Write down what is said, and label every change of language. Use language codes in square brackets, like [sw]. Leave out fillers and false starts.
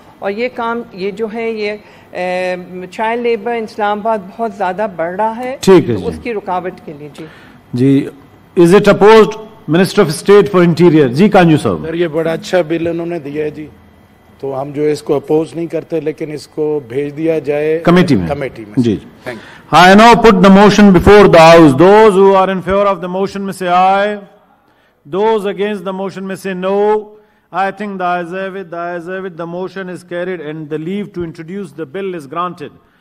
[ur] اور یہ کام, یہ جو ہے یہ چائلڈ لیبر اسلام آباد بہت زیادہ بڑھ رہا ہے, ٹھیک ہے, اس کی رکاوٹ کے لیے. جی [en] جی, is it opposed? Minister of state for interior. [ur] جی کانجو صاحب, سر یہ بڑا اچھا بل انہوں نے دیا ہے جی, تو ہم جو اس کو اپوز نہیں کرتے لیکن اس کو بھیج دیا جائے کمیٹی میں. کمیٹی میں جی. [en] I now put the motion before the house. Those who are in favour of the motion [ur] میں سے [en] Aye, those against the motion may say no. I think the ayes have it, the ayes have it, the motion is carried and the leave to introduce the bill is granted.